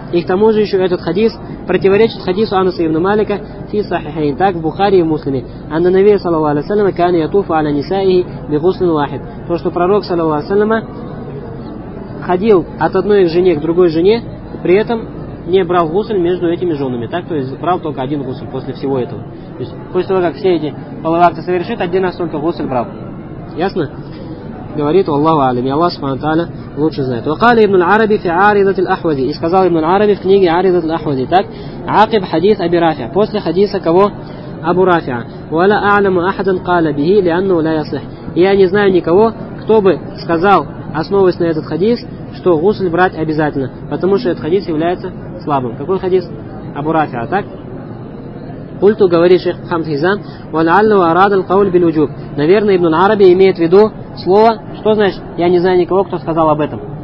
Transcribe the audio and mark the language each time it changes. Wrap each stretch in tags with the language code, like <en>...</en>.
<ru>И к тому же еще этот хадис противоречит хадису Анаса ибн Малика</ru> <ar>في صحيحين.</ar> <ru>Так в Бухари и Муслиме.</ru> <ar>أن النبي صلى الله عليه وسلم كان يطوف على نسائه بغسل واحد.</ar> <ru>То, что пророк</ru> <ar>صلى الله عليه وسلم</ar> <ru>ходил от одной жены к другой жене, при этом не брал гусль между этими женами. Так, то есть брал только один гусль после всего этого. То есть после того, как все эти половые акты совершит, один раз только гусль брал. Ясно? Говорит Аллаху Алим. И Аллах Субхана Тааля лучше знает.</ru> <ar>وقال ابن العربي في عارضة الأحوذي.</ar> <ru>И сказал ابن العربي в книге عارضة الأحوذي. Так,</ru> <ar>عقب حديث أبي رافع.</ar> <ru>После хадиса кого? Абу Рафиа.</ru> <ar>ولا أعلم أحدا قال به لأنه لا يصح.</ar> <ru>Я не знаю никого, кто бы сказал, основываясь на этот хадис, что гусль брать обязательно, потому что этот хадис является слабым. Какой хадис? Абу Рафиа, так? Культу говорит шейх Мухаммад Хизан,</ru> <ar>وَلْعَلَّهُ أَرَادَ الْقَوْلِ بِالْوُجُوبِ.</ar> <ru>Наверное, ибн Араби имеет в виду слово, что значит, я не знаю никого, кто сказал об этом.</ru>